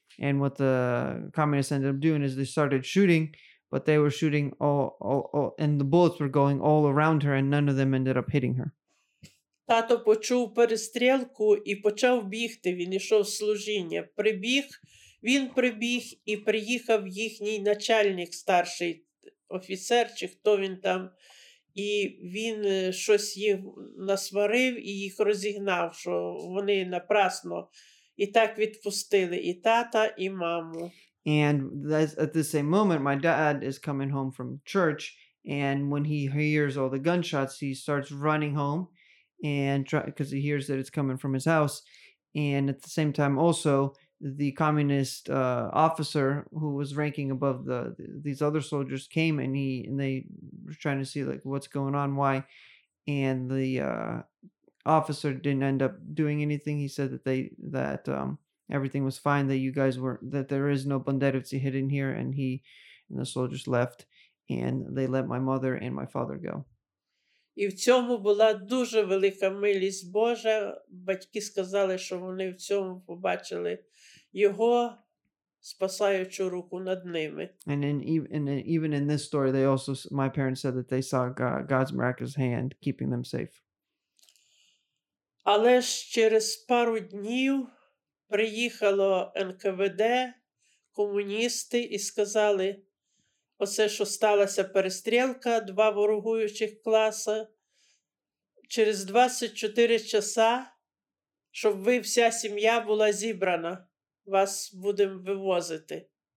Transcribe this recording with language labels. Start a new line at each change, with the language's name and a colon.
English: And what the communists ended up doing is they started shooting, but they were shooting all, and the bullets were going all around her, and none of them ended up hitting her.
Ukrainian: Тато почув перестрілку і почав бігти. Він йшов служіння. Прибіг, він прибіг і приїхав їхній начальник, старший офіцер, чи хто він там. І він щось їх насварив і їх розігнав, що вони напрасно. І так відпустили і тата, і маму.
English: And at the same moment, my dad is coming home from church. And when he hears all the gunshots, he starts running home. And because he hears that it's coming from his house. And at the same time, also, the communist officer who was ranking above these other soldiers came, and they were trying to see, like, what's going on, why. And the officer didn't end up doing anything. He said that everything was fine, that there is no banderovci hidden here. And he and the soldiers left, and they let my mother and my father go.
Ukrainian: І в цьому була дуже велика милість Божа. Батьки сказали, що вони в цьому побачили його спасаючу руку над ними.
English: And even in this story, my parents said that they saw God's miraculous hand keeping them safe.
Ukrainian: Але ж через пару днів приїхало НКВД, комуністи, і сказали, оце, що сталася перестрілка, два ворогуючих класи, через 24 часа, щоб ви, вся сім'я, була зібрана, вас будемо вивозити.